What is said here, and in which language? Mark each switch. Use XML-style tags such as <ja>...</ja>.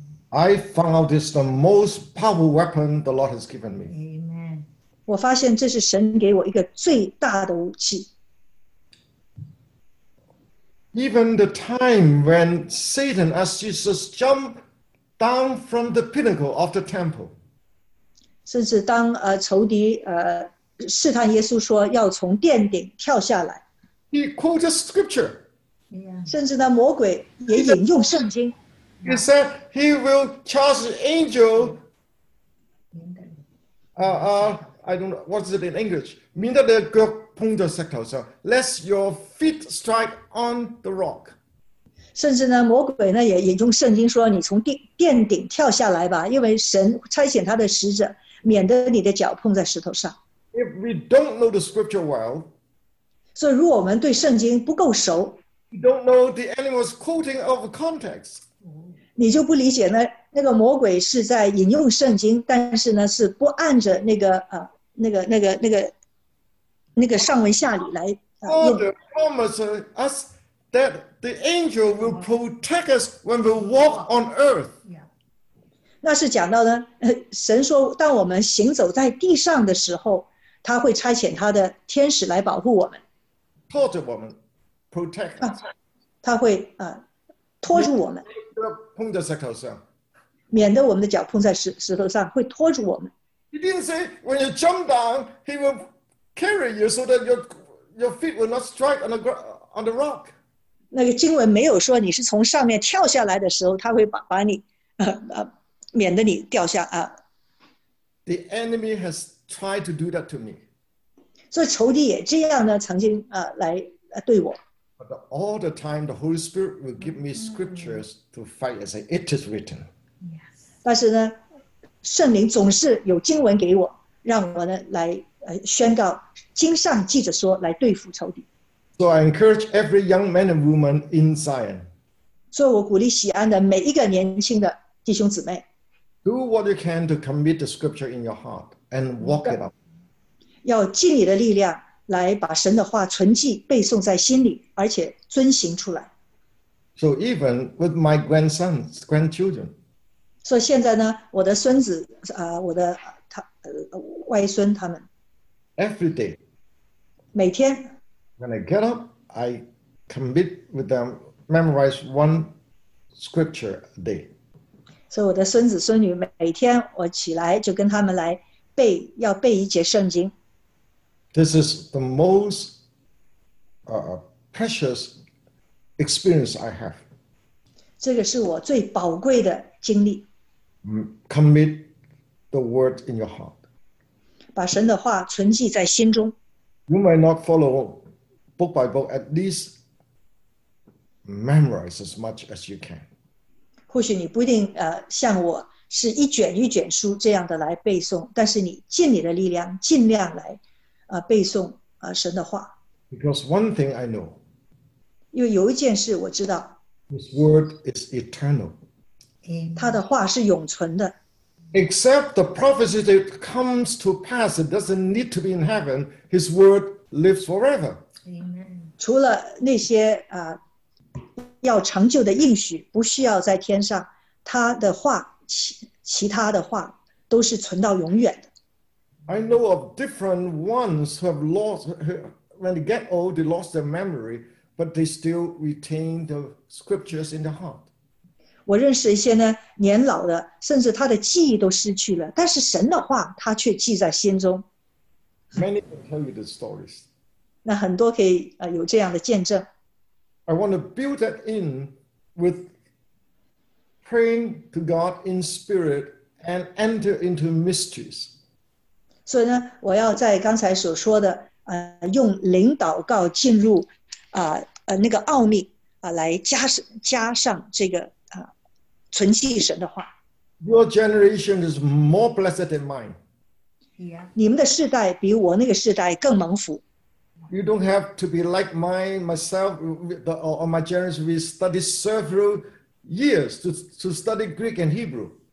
<en>I found out this is the most powerful weapon the Lord has given me. Amen.</en> <zh>我发现这是神给我一个最大的武器。</zh> <en>Even the time when Satan asked Jesus jump down from the pinnacle of the temple.</en> <zh>甚至当仇敌试探耶稣说要从殿顶跳下来。</zh> <en>He quoted scripture.</en> <zh>甚至呢，魔鬼也引用圣经。</zh> <en>He said he will charge the angel. I don't know what's it in English. Mean that the girl pung the sector, so lest your feet strike on the rock.</en> <zh>甚至呢，魔鬼呢也引用圣经说，你从殿顶跳下来吧，因为神差遣他的使者，免得你的脚碰在石头上。</zh> <en>If we don't know the scripture well,</en> <zh>所以如果我们对圣经不够熟。</zh> <en>You don't know the enemy was quoting out of context.</en> <zh>你就不理解呢？那个魔鬼是在引用圣经，但是呢，是不按着那个那个上文下理来、</zh> <en>All the promises us that the angel will protect us when we walk on earth. Yeah.</en> <zh>那是讲到呢，神说，当我们行走在地上的时候，他会差遣他的天使来保护我们。</zh> <en>Porter</en> <zh>我们</zh> <en>，protect us.</en> <zh>他会拖住我们。碰在石头上。免得我们的脚碰在石头上，会拖住我们。</zh> <en>He didn't say when you jump down, he will carry you so that your feet will not strike on the rock.</en> <zh>那个经文没有说你是从上面跳下来的时候，他会把你免得你掉下啊。</zh> <en>The enemy has tried to do that to me.</en> <zh>所以仇敌也这样呢，曾经来对我。</zh> <en>But all the time, the Holy Spirit will give me scriptures to fight and say it is written.</en> <zh>但是呢，圣灵总是有经文给我，让我呢来宣告经上记着说来对付仇敌。</zh> <en>So I encourage every young man and woman in Zion.</en> <zh>所以我鼓励锡安的每一个年轻的弟兄姊妹。</zh> <en>Do what you can to commit the scripture in your heart and walk it out.</en> <zh>要尽你的力量来把神的话存记背诵在心里，而且遵行出来。</zh> <en>So even with my grandsons, grandchildren.</en> <zh>所以现在呢，我的孙子我的他外孙他们</zh> <en>，every day，</en> <zh>每天</zh> <en>，when I get up， I commit with them memorize one scripture a day。</en> <zh>所以我的孙子孙女每天我起来就跟他们来背，要背一节圣经。</zh> <en>This is the most precious experience I have。</en> <zh>这个是我最宝贵的经历。</zh> <en>Commit the word in your heart.</en> <zh>把神的话存记在心中。</zh> <en>You might not follow book by book, at least memorize as much as you can.</en> <zh>或许你不一定像我是一卷一卷书这样的来背诵，但是你尽你的力量，尽量来背诵神的话。</zh> <en>Because one thing I know.</en> <zh>因为有一件事我知道。</zh> <en>This word is eternal.</en> <zh>他的话是永存的。</zh> <en>Except the prophecy that comes to pass, it doesn't need to be in heaven. His word lives forever. Amen.</en> <zh>除了那些要成就的应许，不需要在天上，他的话其他的话都是存到永远的。</zh> <en>I know of different ones who have lost when they get old, they lost their memory, but they still retain the scriptures in their heart.</en> <zh>我认识一些呢年老的，甚至他的记忆都失去了，但是神的话他却记在心中。</zh> <en>Many can tell you the stories.</en> <zh>那很多可以有这样的见证。</zh> <en>I want to build that in with praying to God in spirit and enter into mysteries.</en> <zh>所以呢，我要在刚才所说的用灵祷告进入那个奥秘来加上这个。存记神的话。</zh> <en>Your generation is more blessed than mine. Yeah.</en> <zh>你们的世代比我那个世代更蒙福。</zh> <en>You don't have to be like myself, or my generation. We study several years to study Greek and Hebrew.</en>